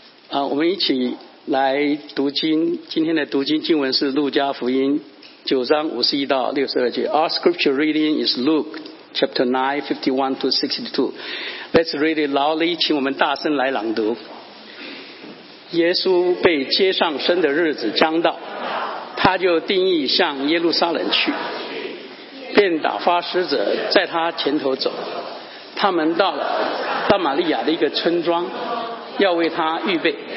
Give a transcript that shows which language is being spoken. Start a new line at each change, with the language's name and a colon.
Chinese: 我们一起来读经，今天的读经经文是路加福音九章五十一到六十二节。
English: Our scripture reading is Luke chapter 9:51-62. Let's read it loudly.
Chinese: 请我们大声来朗读。耶稣被接上身的日子将到，他就定意向耶路撒冷去，便打发使者在他前头走。他们到了撒玛利亚的一个村庄，要为他预备。